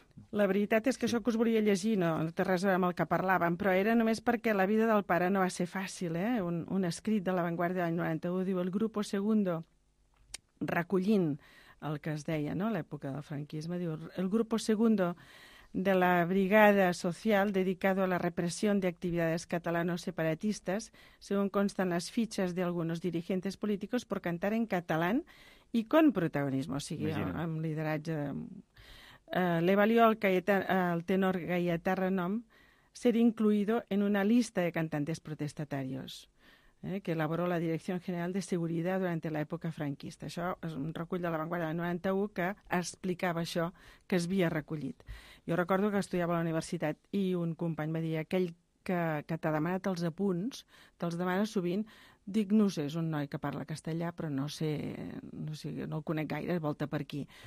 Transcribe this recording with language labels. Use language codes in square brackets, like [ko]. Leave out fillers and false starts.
[ca] La veritat és que això que us volia llegir no té res amb el que parlàvem, però era només perquè la vida del pare no va ser fàcil, Un escrit de l'Avantguardia de l'any 91 diu [es] el Grupo Segundo, recollint el que es deia, no?, l'època del franquisme, diu el Grupo Segundo de la Brigada Social dedicado a la represión de actividades catalanos separatistas, según constan las fichas de algunos dirigentes políticos por cantar en catalán y con protagonismo, [ca] o sigui, amb lideratge. [es] Le valió al tenor Gaietà Renom ser incluido en una lista de cantantes protestatarios que elaboró la Dirección General de Seguridad durante la época franquista. [ca] Això és un recull de l'Avantguarda del 91 que explicava això que es havia recollit. Jo recordo que estudiava a la universitat i un company va dir, aquell que t'ha demanat els apunts, te'ls demana sovint, dic, no sé, és un noi que parla castellà, però no el conec gaire, volta per aquí.